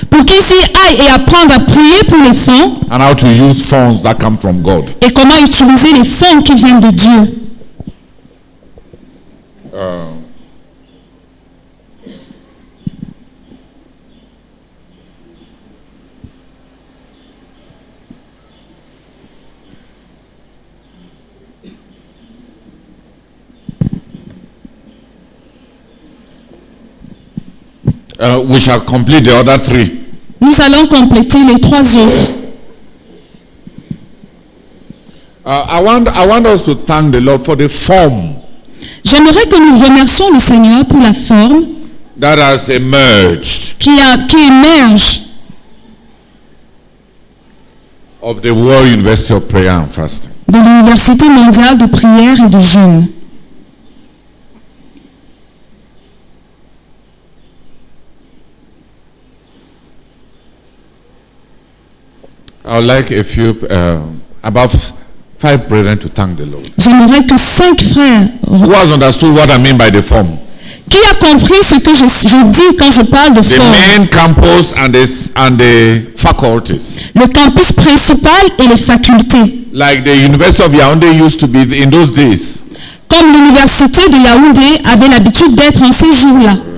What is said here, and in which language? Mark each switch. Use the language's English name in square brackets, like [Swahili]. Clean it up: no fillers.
[French] Pour qu'ils y aillent et apprennent à prier pour les fonds. [English] And how to use funds that come from God. [French] Et comment utiliser les fonds qui viennent de Dieu. [English] We shall complete the other three. [French] Nous allons compléter les trois autres. [English] I want us to thank the Lord for the form. [French] J'aimerais que nous remercions le Seigneur pour la forme [English] that has emerged. [French] Qui émerge. [English] Of the World University of Prayer and Fasting. [French] De l'Université mondiale de prière et de jeûne. [English] I would like a few, about five brethren to thank the Lord. [French] J'aimerais que cinq frères. [English] Who has understood what I mean by the form? [French] Qui a compris ce que je dis quand je parle de [English] form? The main campus and the faculties. [French] Le campus principal et les facultés. [English] Like the University of Yaoundé used to be in those days. [French] Comme l'université de Yaoundé avait l'habitude d'être en ces jours-là.